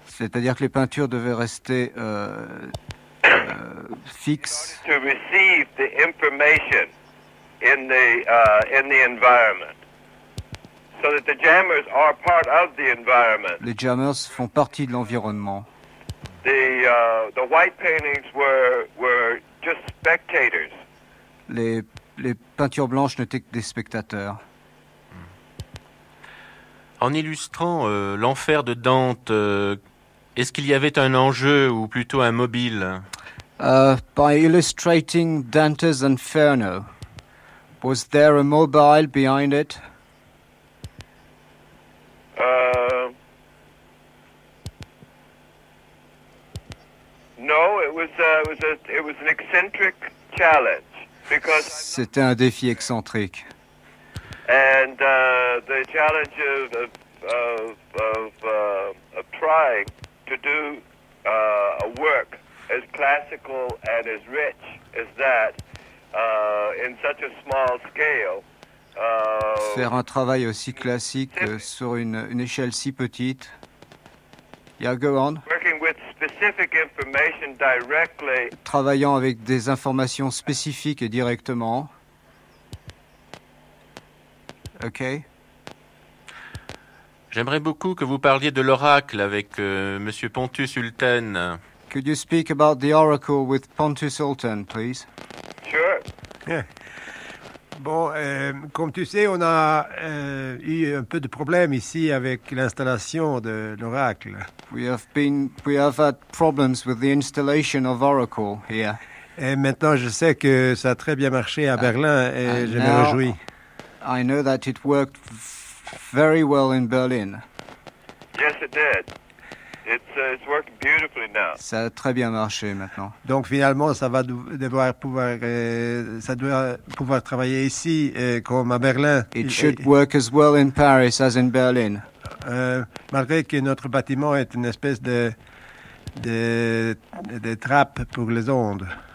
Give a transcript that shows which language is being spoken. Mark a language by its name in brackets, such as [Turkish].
[French] C'est-à-dire que les peintures devaient rester fixes. [English] To receive the information in the environment, so that the jammers are part of the environment. [French] Les jammers font partie de l'environnement. [English] The white paintings were just spectators. [French] Les peintures blanches n'étaient que des spectateurs. En illustrant l'enfer de Dante, est-ce qu'il y avait un enjeu ou plutôt un mobile? [English] By illustrating Dante's Inferno, was there a mobile behind it? No, it was an eccentric challenge because [French] c'était un défi excentrique. [English] And the challenge of trying to do a work as classical and as rich as that in such a small scale. [French] Faire un travail aussi classique sur une échelle si petite. [English] Yeah, go on. Working with specific information directly. [French] Travaillant avec des informations spécifiques et directement. [English] OK. [French] J'aimerais beaucoup que vous parliez de l'oracle avec Monsieur Pontus Sultan. [English] Could you speak about the oracle with Pontus Sultan, please? Sure. Yeah. [French] Bon, comme tu sais, on a eu un peu de problèmes ici avec l'installation de l'oracle. [English] We have had problems with the installation of Oracle here. [French] Et maintenant, je sais que ça a très bien marché à Berlin et je me réjouis. [English] I know that it worked very well in Berlin. Yes, it did. It's working beautifully now. [French] Ça a très bien marché maintenant. Donc finalement, ça va devoir pouvoir, ça doit pouvoir travailler ici comme à Berlin. [English] It should work as well in Paris as in Berlin. [French] Malgré que notre bâtiment est une espèce de trappe pour les ondes.